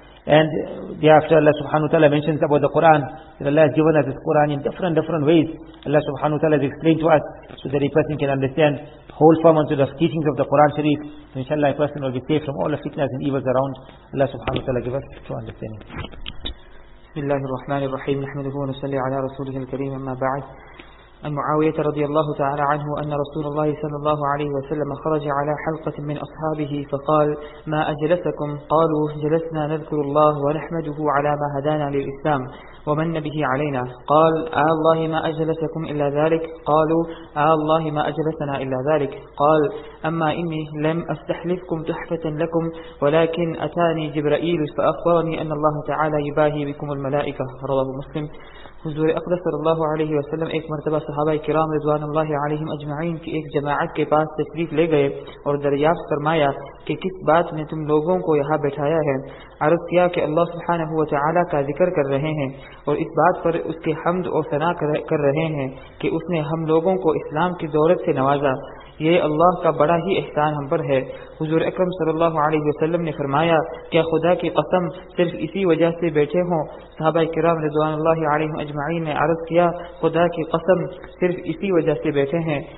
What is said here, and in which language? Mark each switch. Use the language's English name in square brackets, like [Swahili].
[English] And thereafter, Allah subhanahu wa ta'ala mentions about the Quran, that Allah has given us this Quran in different ways. Allah subhanahu wa ta'ala has explained to us so that a person can understand whole form unto the teachings of the Quran Sharif. So inshallah, a person will be saved from all the fitnas and evils around. Allah subhanahu wa ta'ala give us true understanding. [Arabic] بالله الرحمن الرحيم نحمده ونصلي على رسوله الكريم أما بعد عن معاوية رضي الله تعالى عنه أن رسول الله صلى الله عليه وسلم خرج على حلقة من أصحابه فقال ما أجلسكم قالوا جلسنا نذكر الله ونحمده على ما هدانا للإسلام ومن به علينا قال آلله ما أجلسكم إلا ذلك قالوا آلله ما أجلسنا إلا ذلك قال أما إني لم أستحلفكم تحفة لكم ولكن أتاني جبرائيل فأخبرني أن الله تعالى يباهي بكم الملائكة رواه مسلم [Urdu] حضور اقدس صلی اللہ علیہ وسلم ایک مرتبہ صحابہ کرام رضوان اللہ علیہم اجمعین کی ایک جماعت کے پاس تشریف لے گئے اور دریافت فرمایا کہ کس بات نے تم لوگوں کو یہاں بٹھایا ہے. عرض کیا کہ اللہ سبحانہ و تعالی کا ذکر کر رہے ہیں اور اس بات پر اس کے حمد اور ثنا کر رہے ہیں کہ اس نے ہم لوگوں کو اسلام کی دولت سے نوازا. یہ اللہ کا بڑا ہی احسان ہم پر ہے. حضور اکرم صلی اللہ علیہ وسلم نے فرمایا کیا خدا کی قسم صرف اسی وجہ سے بیٹھے ہوں؟ صحابہ کرام رضوان اللہ علیہ اجمعین نے عرض کیا خدا کی قسم صرف اسی وجہ سے بیٹھے ہیں.